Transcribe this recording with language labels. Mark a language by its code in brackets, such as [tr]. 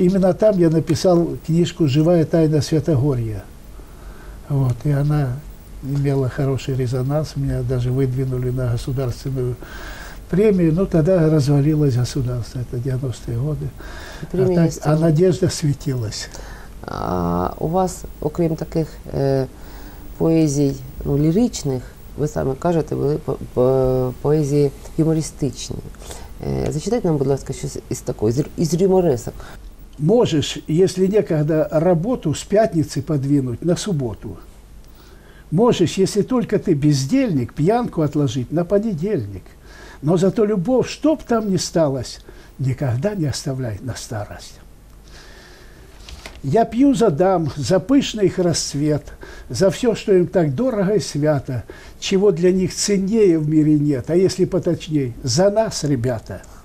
[ru] Именно там я написал книжку «Живая тайна Святогорья». Вот, и она имела хороший резонанс, меня даже выдвинули на государственную премию, но тогда развалилось государство, это 90-е годы. А надежда светилась. [uk] А у вас, окрім таких поезій, ну, ліричних, ви саме кажете, були поезії юмористичні. Зачитайте нам, будь ласка, щось із такого, із юморисок. Можеш, якщо некогда, роботу з п'ятниці подвинуть на суботу. Можеш, якщо тільки ти бездельник, п'янку відложити на понедельник. [ru] Но зато любовь, чтоб там ни сталось, никогда не оставляй на старость. Я пью за дам, за пышный их расцвет, за все, что им так дорого и свято, чего для них ценнее в мире нет, а если поточнее, за нас, ребята.